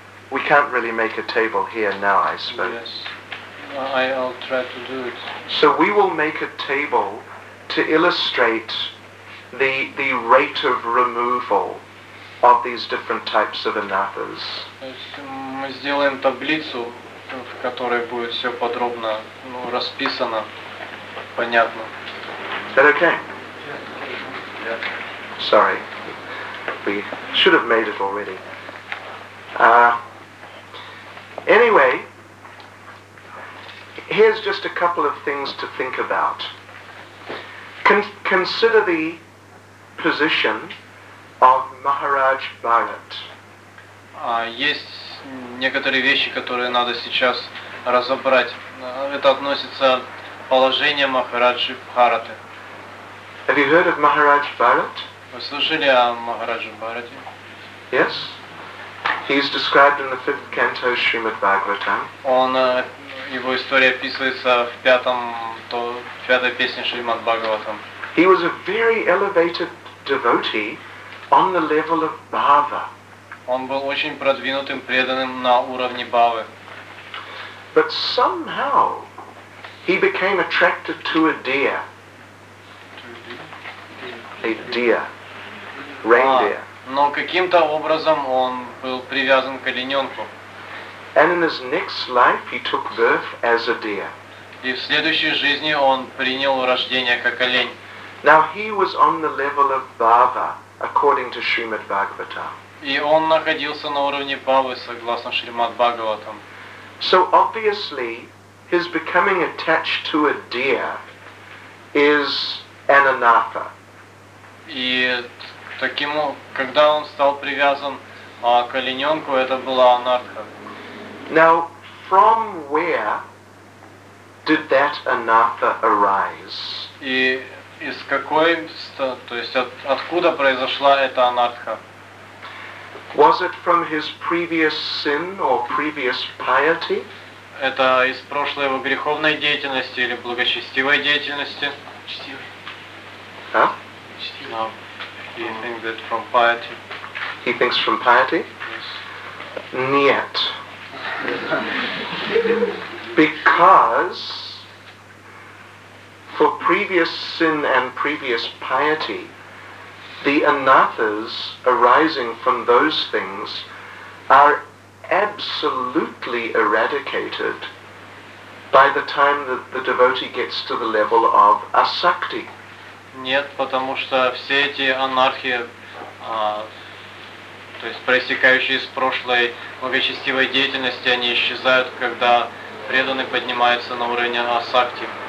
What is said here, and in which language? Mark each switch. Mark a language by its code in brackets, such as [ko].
[en] We can't really make a table here now, I suppose. Yes. I'll try to do it. So we will make a table to illustrate the rate of removal of these different types of anathas. [ru] Мы сделаем таблицу, в которой будет все подробно, ну, расписано, понятно. [en] Is that okay? Yeah. Sorry. We should have made it already. Anyway, here's just a couple of things to think about. Consider the position of Maharaj Bharat. [ru] Есть некоторые вещи, которые надо сейчас разобрать. Это относится к положению Махараджи Бхараты. [en] Have you heard of Maharaj Bharat? [ru] Вы слышали о Махараджи Бхарате? [en] Yes. He is described in the fifth canto Shrimad Bhagavatam. [ru] Он, его история описывается в пятой песне Шримад Бхагаватам. [en] He was a very elevated devotee on the level of bhava. [ru] Он был очень продвинутым преданным на уровне бхавы. [en] But somehow he became attracted to a deer. A deer. Reindeer. [ru] Но каким-то образом он был привязан к олененку. [en] And in his next life he took birth as a deer. [ru] И в следующей жизни он принял рождение как олень. [en] Now he was on the level of bhava, according to Srimad Bhagavatam. [ru] И он находился на уровне бхавы, согласно Шримад Бхагаватам. [en] So obviously, his becoming attached to a deer is an anatha. [ru] И таким, когда он стал привязан к олененку, это была анарха. [en] Now, from where did that anatha arise? [ru] И из какой, то есть откуда произошла эта анартха? [en] Was it from his previous sin or previous piety? [ru] Это из прошлой его греховной деятельности или благочестивой деятельности? Чистивой. Huh? [en] No. He thinks that from piety. He thinks from piety? Yes. [ru] Нет. [en] Because for previous sin and previous piety, the anathas arising from those things are absolutely eradicated by the time that the devotee gets to the level of asakti. [ru] Нет, потому что все эти анархи, то есть проистекающие из прошлой благочестивой деятельности, они исчезают, когда преданный поднимается на уровень асакти.